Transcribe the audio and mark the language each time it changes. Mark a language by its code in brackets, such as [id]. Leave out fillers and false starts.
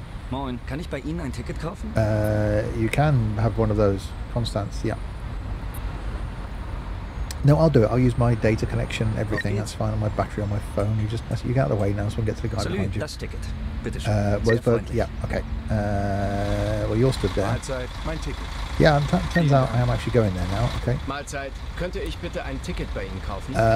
[de] Moin, kann ich bei Ihnen ein Ticket kaufen? [en] You can have one of those, Konstanz, yeah. No, I'll do it. I'll use my data connection, everything. Okay. That's fine. My battery on my phone. You just you get out of the way now so we can get to the guy behind you. [de] Das Ticket. [en] Würzburg, yeah, okay. Well, you're stood there. [de] Mahlzeit, mein Ticket. [en] Yeah, turns out I am actually going there now, okay. [de] Mahlzeit, könnte ich bitte ein Ticket bei Ihnen kaufen?